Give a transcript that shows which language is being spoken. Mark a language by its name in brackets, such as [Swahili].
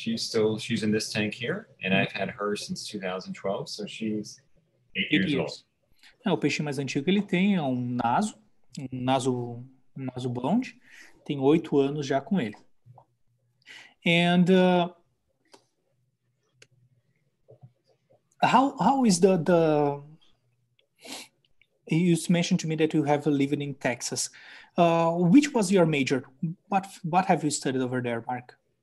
[English] She's in this tank here, and mm-hmm. I've had her since 2012, so she's 8 years old. [Portuguese] É, o peixe mais antigo que ele tem é um naso mas o blonde tem 8 anos já com ele. [English] And how is the you mentioned to me that you have lived in Texas. Which was your major? What have you studied over there, Mark?